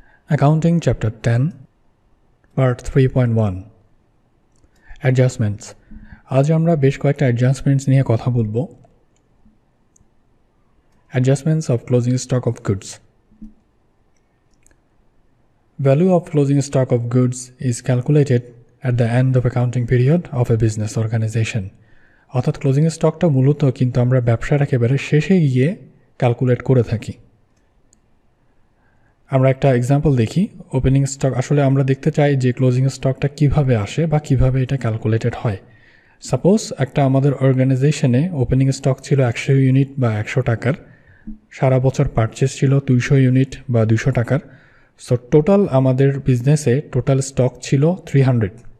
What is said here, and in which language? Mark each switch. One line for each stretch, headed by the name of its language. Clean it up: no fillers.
English: Accounting Chapter 10, Part 3.1 Adjustments.
Bangla: আজ আমরা বেশ কয়েকটা adjustments নিয়ে কথা বলবো.
English: Adjustments of closing stock of goods. Value of closing stock of goods is calculated at the end of accounting period of a business organization.
Bangla: অর্থাৎ closing stockটা মূলত কিন্তু আমরা ব্যবসাটা একেবারে শেষে গিয়ে calculate করে থাকি. আমরা একটা এক্সাম্পল দেখি ওপেনিং স্টক আসলে আমরা দেখতে চাই যে ক্লোজিং স্টকটা কিভাবে আসে বা কিভাবে এটা ক্যালকুলেটেড হয় সাপোজ একটা আমাদের অর্গানাইজেশনে ওপেনিং স্টক ছিল 100 ইউনিট বা 100 টাকার সারা বছর পারচেজ ছিল 200 ইউনিট বা 200 টাকার সো টোটাল আমাদের বিজনেসে টোটাল স্টক ছিল 300